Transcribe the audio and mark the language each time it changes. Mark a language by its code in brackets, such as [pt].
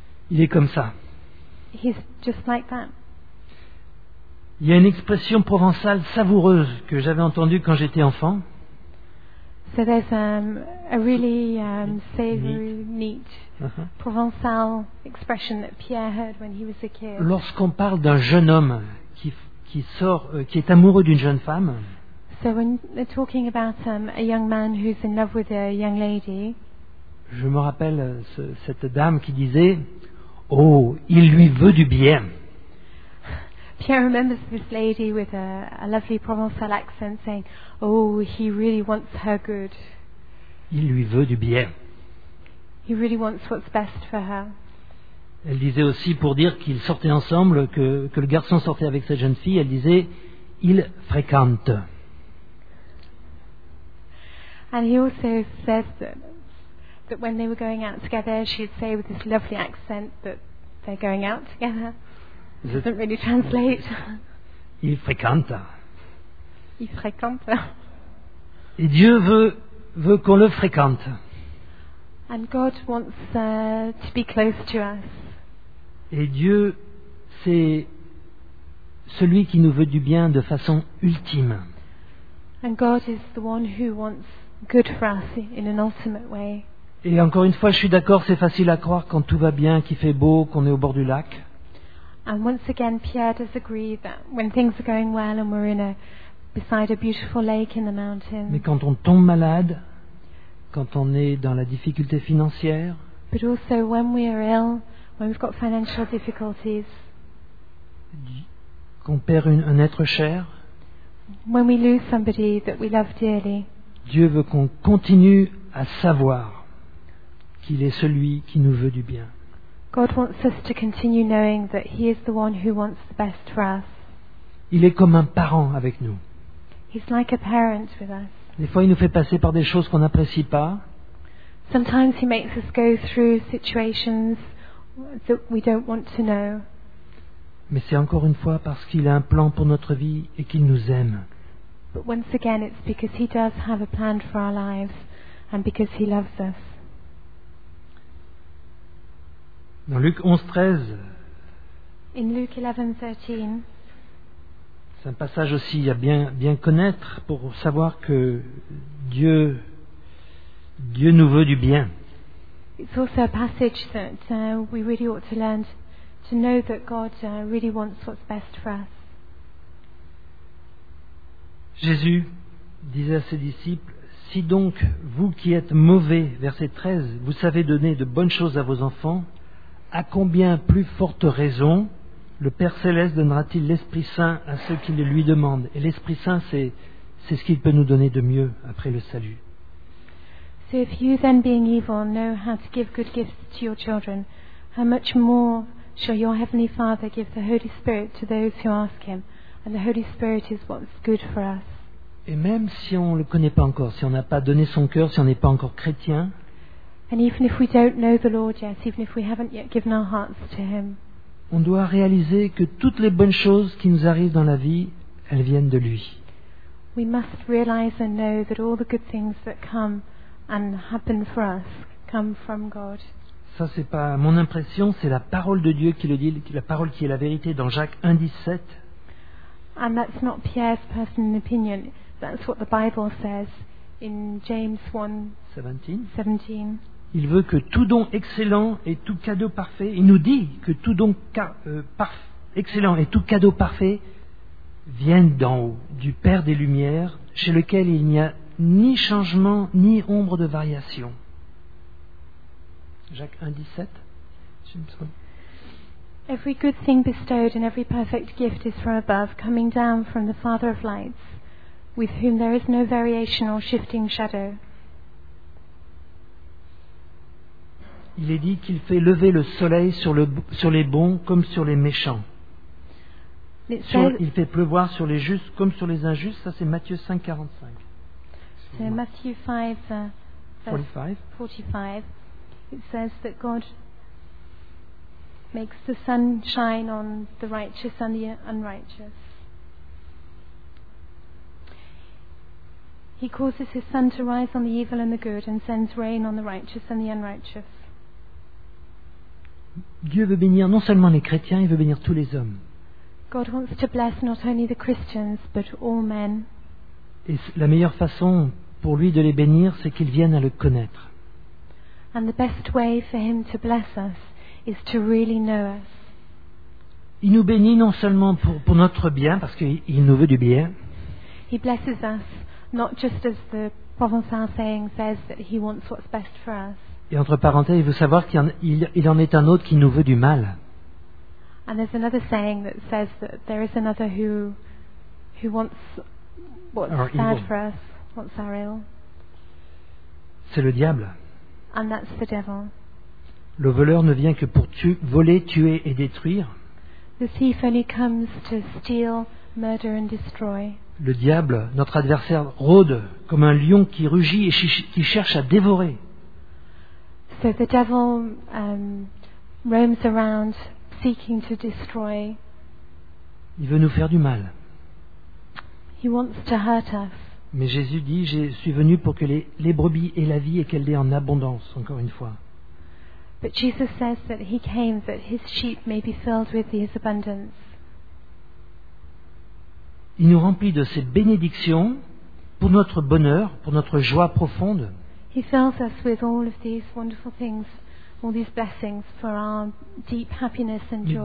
[fr] Il est comme ça. [en] He's just like that. [fr] Il y a une expression provençale savoureuse que j'avais entendue quand j'étais enfant. [en] So there's a really savory meat Provençal expression that Pierre heard when he was a kid. [fr] Lorsqu'on parle d'un jeune homme qui sort qui est amoureux d'une jeune femme. [en] So when they're talking about a young man who's in love with a young lady. [fr] Je me rappelle cette dame qui disait, oh, il lui veut du bien. [en] Pierre remembers this lady with a lovely Provençal accent saying, oh, he really wants her good. [fr] Il lui veut du bien. [en] He really wants what's best for her. [fr] Elle disait aussi, pour dire qu'ils sortaient ensemble, que le garçon sortait avec cette jeune fille, elle disait, il fréquente. [en] And he also says that when they were going out together, she'd say with this lovely accent that they're going out together. Doesn't really translate. [fr] Il fréquente. Il fréquente. Et Dieu veut qu'on le fréquente. [en] And God wants to be close to us. [fr] Et Dieu, c'est celui qui nous veut du bien de façon ultime. [en] And God is the one who wants good for us in an ultimate way. [fr] Et encore une fois, je suis d'accord, c'est facile à croire quand tout va bien, qu'il fait beau, qu'on est au bord du lac. [en] And once again, Pierre does agree that when things are going well and we're beside a beautiful lake in the mountains. [fr] Mais quand on tombe malade, quand on est dans la difficulté financière. [en] But also when we are ill, when we've got financial difficulties. [fr] Qu'on perd un être cher. [en] When we lose somebody that we love dearly. [fr] Dieu veut qu'on continue à savoir qu'il est celui qui nous veut du bien. [en] God wants us to continue knowing that he is the one who wants the best for us. [fr] Il est comme un parent avec nous. [en] He's like a parent with us. [fr] Des fois il nous fait passer par des choses qu'on n'apprécie pas. [en] Sometimes he makes us go through situations that we don't want to know. [fr] Mais c'est encore une fois parce qu'il a un plan pour notre vie et qu'il nous aime. [en] But once again it's because he does have a plan for our lives and because he loves us. [fr] Dans Luc 11:13. [en] In Luke 11:13. [fr] C'est un passage aussi à bien connaître pour savoir que Dieu nous veut du bien. [en] It's also a passage that we really ought to learn to know that God really wants what's best for us. [fr] Jésus disait à ses disciples, « Si donc, vous qui êtes mauvais, verset 13, vous savez donner de bonnes choses à vos enfants, à combien plus forte raison le Père Céleste donnera-t-il l'Esprit Saint à ceux qui le lui demandent ?» Et l'Esprit Saint, c'est ce qu'il peut nous donner de mieux après le salut. [en] « So if you then being evil know how to give good gifts to your children, how much more shall your Heavenly Father give the Holy Spirit to those who ask him ?» And the Holy Spirit is what's good for us. [fr] Et même si on ne le connaît pas encore, si on n'a pas donné son cœur, si on n'est pas encore chrétien. [en] And even if we don't know the Lord yet, even if we haven't yet given our hearts to him. [fr] On doit réaliser que toutes les bonnes choses qui nous arrivent dans la vie, elles viennent de lui. [en] We must realize and know that all the good things that come and happen for us come from God. [fr] Ça c'est pas mon impression, c'est la parole de Dieu qui le dit, la parole qui est la vérité dans Jacques 1:17. [en] And that's not Pierre's personal opinion. That's what the Bible says in James 1:17. [fr] Il veut que tout don excellent et tout cadeau parfait, il nous dit que tout don excellent et tout cadeau parfait viennent d'en haut, du Père des Lumières, chez lequel il n'y a ni changement ni ombre de variation. Jacques 1:17. [en] Every good thing bestowed and every perfect gift is from above, coming down from the Father of lights, with whom there is no variation or shifting shadow. [fr] Il est dit qu'il fait lever le soleil sur les bons comme sur les méchants. Il fait pleuvoir sur les justes comme sur les injustes. Ça, c'est Matthieu 5:45. C'est Matthieu 5:45. [en] It says that God makes the sun shine on the righteous and the unrighteous. He causes his sun to rise on the evil and the good and sends rain on the righteous and the unrighteous. [fr] Dieu veut bénir non seulement les chrétiens, il veut bénir tous les hommes. [en] God wants to bless not only the Christians but all men. [fr] Et la meilleure façon pour lui de les bénir, c'est qu'ils viennent à le connaître. [en] And the best way for him to bless us is to really know us. [fr] Il nous bénit non seulement pour notre bien, parce qu'il nous veut du bien. [en] He blesses us not just as the Provençal saying says that he wants what's best for us. [fr] Et entre parenthèses, il veut savoir qu'il en est un autre qui nous veut du mal. [en] And there's another saying that says that there is another who wants what's bad for us, what's our ill. [fr] C'est le diable. [en] And that's the devil. [fr] Le voleur ne vient que pour voler, tuer et détruire. [en] The thief only comes to steal, murder and destroy. [fr] Le diable, notre adversaire, rôde comme un lion qui rugit et qui cherche à dévorer. [en] So the devil roams around seeking to destroy. [fr] Il veut nous faire du mal. [en] He wants to hurt us. [fr] Mais Jésus dit, je suis venu pour que les brebis aient la vie et qu'elle l'ait en abondance, encore une fois. [en] But Jesus says that he came that his sheep may be filled with his abundance. [fr] Il nous remplit de ses bénédictions pour notre bonheur, pour notre joie profonde. [en] He fills us with all of these wonderful things, all these blessings for our deep happiness and joy.